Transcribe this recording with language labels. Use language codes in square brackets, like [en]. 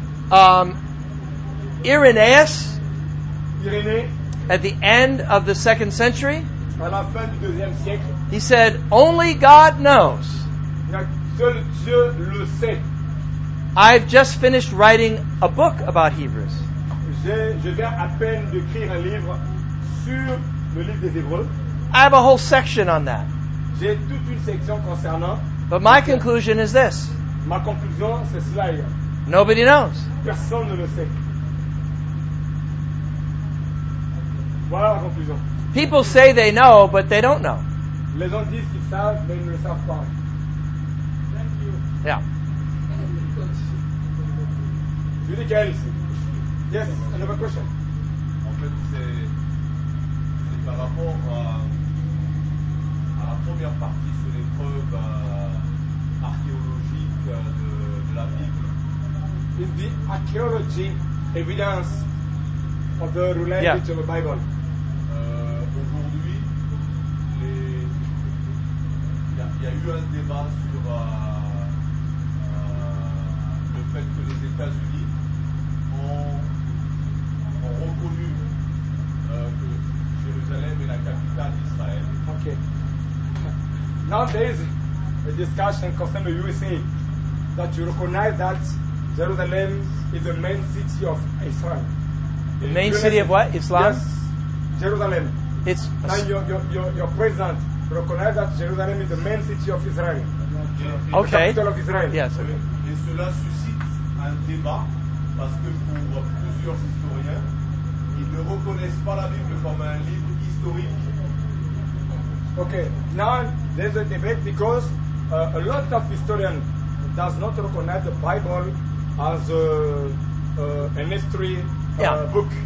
[en] Irenaeus. [fr] Irénée. [en] At the end of the second century. [fr] À la fin du deuxième siècle. [en] He said, "Only God knows." [fr] Seul Dieu le sait. [en] I've just finished writing a book about Hebrews. [fr] Je viens à peine d'écrire un livre sur le livre des Hébreux. [en] I have a whole section on that. [fr] J'ai toute une section concernant. [en] But my conclusion is this. [fr] Ma conclusion, c'est cela. [en] Nobody knows. [fr] Personne ne le sait. Voilà la conclusion. [en] People say they know, but they don't know. [fr] Les gens disent qu'ils savent, mais ils ne le savent pas. [en] Thank you. Yeah. Judy Kelly. Yes, another question. [fr] En fait, c'est par rapport à la première partie sur les preuves archéologique de la Bible. [en] Is the archaeology evidence of the reliability yeah. of the Bible? [fr] Aujourd'hui, il y a eu un débat sur le fait que les États-Unis ont reconnu que Jérusalem est la capitale d'Israël. [en] Ok. Nowadays, a discussion concerning the USA that you recognize that Jerusalem is the main city of Israel. The main city of what? Islam? Yes, Jerusalem. It's now your president recognize that Jerusalem is the main city of Israel. Okay. The capital of Israel. Yes. [fr] Et cela suscite un débat parce que pour plusieurs historiens, ils ne reconnaissent pas la Bible comme un livre historique. [en] Okay, now there's a debate because a lot of historians does not recognize the Bible as an history book.